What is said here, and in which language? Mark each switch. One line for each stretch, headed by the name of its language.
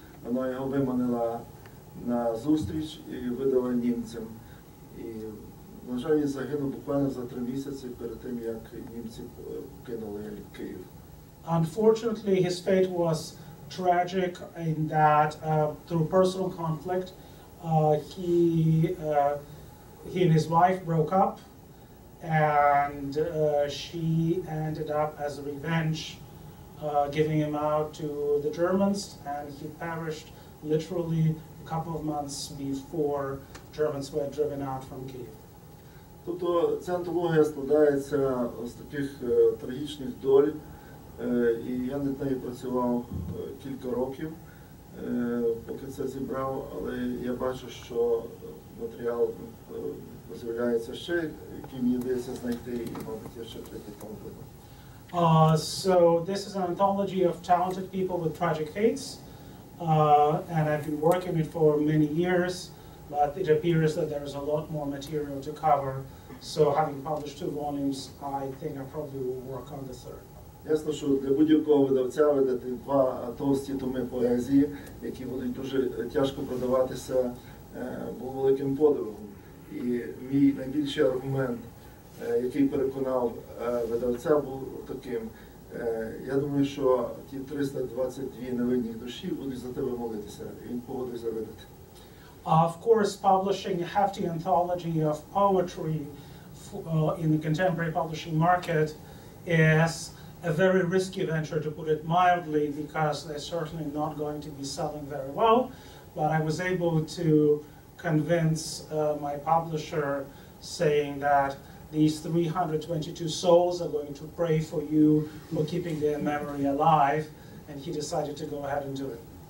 Ukrainian: Вона його виманила на зустріч і видала німцям. І, на жаль, він загинув буквально за 3 місяці перед тим, як німці кинули Київ.
English: Unfortunately, his fate was tragic in that through personal conflict, he and his wife broke up, and she ended up, as a revenge, giving him out to the Germans, and he perished literally a couple of months before Germans were driven out from Kyiv.
Ukrainian: Тобто ця антологія складається з таких трагічних доль, і я над нею працював кілька років, поки це зібрав, але я бачу, що матеріал з'являється ще, який мені вдається знайти, і, мабуть, я ще третій том буду.
English: So this is an anthology of talented people with tragic fates, and I've been working it for many years, but it appears that there is a lot more material to cover. So having published two volumes, I think I probably will work on the third.
Ukrainian: Ясно, що для будь-якого видавця видати два товсті томи поезії, які будуть дуже тяжко продаватися, був великим подвигом. І мій найбільший аргумент, який переконав видавця, був таким. Я думаю, що ті 322 невинні душі будуть за тебе молитися. Він погодився видати.
English: Of course, publishing a hefty anthology of poetry in the contemporary publishing market is a very risky venture, to put it mildly, because they're certainly not going to be selling very well. But I was able to convince my publisher, saying that these 322 souls are going to pray for you for keeping their memory alive, and he decided to go ahead and do it.